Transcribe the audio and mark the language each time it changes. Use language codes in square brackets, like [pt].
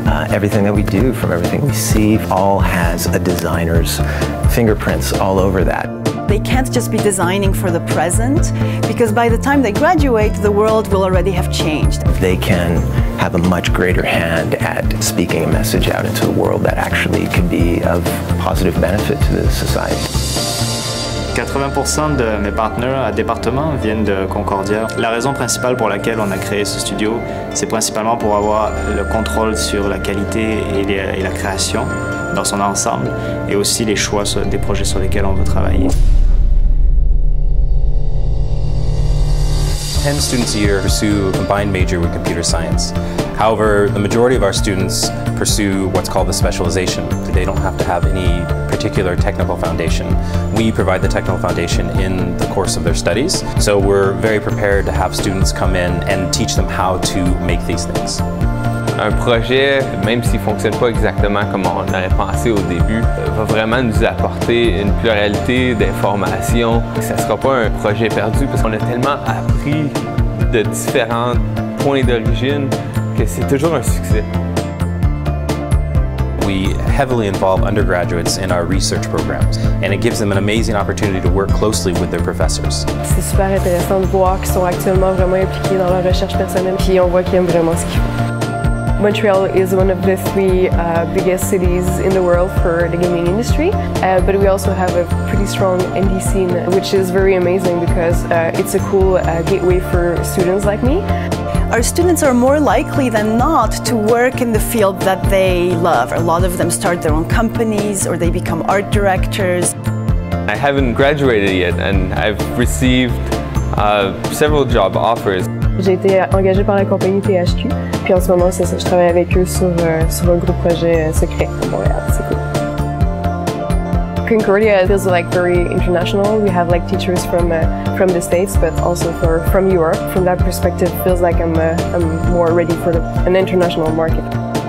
[en] Everything that we do, from everything we see, all has a designer's fingerprints all over that. They can't just be designing for the present, because by the time they graduate, the world will already have changed. They can have a much greater hand at speaking a message out into the world that actually can be of positive benefit to the society. [fr] 80% de mes partenaires à département viennent de Concordia. La raison principale pour laquelle on a créé ce studio, c'est principalement pour avoir le contrôle sur la qualité et la création dans son ensemble, et aussi les choix des projets sur lesquels on veut travailler. [en] 10 students a year pursue a combined major with computer science. However, the majority of our students pursue what's called the specialization. They don't have to have any particular technical foundation. We provide the technical foundation in the course of their studies. So we're very prepared to have students come in and teach them how to make these things. [fr] Un projet, même s'il ne fonctionne pas exactement comme on avait pensé au début, va vraiment nous apporter une pluralité d'informations. Ça ne sera pas un projet perdu parce qu'on a tellement appris de différents points d'origine que c'est toujours un succès. [en] We heavily involve undergraduates in our research programs, and it gives them an amazing opportunity to work closely with their professors. [fr] C'est super intéressant de voir qu'ils sont actuellement vraiment impliqués dans leur recherche personnelle, puis on voit qu'ils aiment vraiment ce qu'ils font. [en] Montreal is one of the three biggest cities in the world for the gaming industry, but we also have a pretty strong indie scene, which is very amazing because it's a cool gateway for students like me. Our students are more likely than not to work in the field that they love. A lot of them start their own companies or they become art directors. I haven't graduated yet and I've received several job offers. [fr] J'ai été engagée par la compagnie THQ, puis en ce moment, c'est ça, je travaille avec eux sur un gros projet secret à Montréal. C'est cool. [en] Concordia feels like very international. We have like teachers from the States, but also from Europe. From that perspective, feels like I'm more ready for an international market.